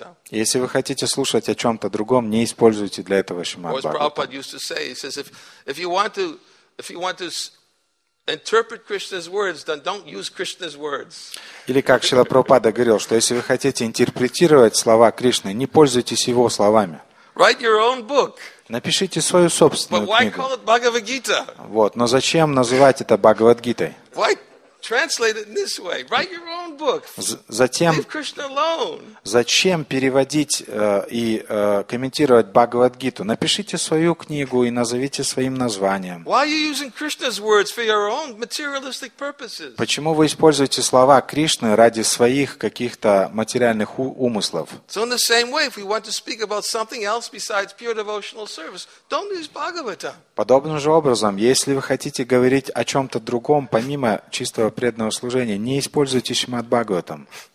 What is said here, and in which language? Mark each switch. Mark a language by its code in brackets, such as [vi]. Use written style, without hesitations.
[ru] Если вы хотите слушать о чем-то другом, не используйте для этого Шримад Бхагаватам. [en] Interpret Krishna's words, then don't use Krishna's words. [ru] Или как Шрила Прабхупада говорил, что если вы хотите интерпретировать слова Кришны, не пользуйтесь его словами. [en] Write your own book. [ru] Напишите свою собственную книгу. [en] But why call it Bhagavad Gita? [ru] Вот, но зачем называть это Бхагавад Гитой? [en] Why translate it in this way? Write your own book. [ru] Затем, [en] leave Krishna alone. [ru] Зачем переводить и комментировать Бхагавад Гиту? Напишите свою книгу и назовите своим названием. [en] Why are you using Krishna's words for your own materialistic purposes? [ru] Почему вы используете слова Кришны ради своих каких-то материальных умыслов? [en] So in the same way, if we want to speak about something else besides pure devotional service, don't use Bhagavata. [ru] Подобным же образом, если вы хотите говорить о чем-то другом, помимо чисто преданного служения, не используйте Шримад Бхагаватам.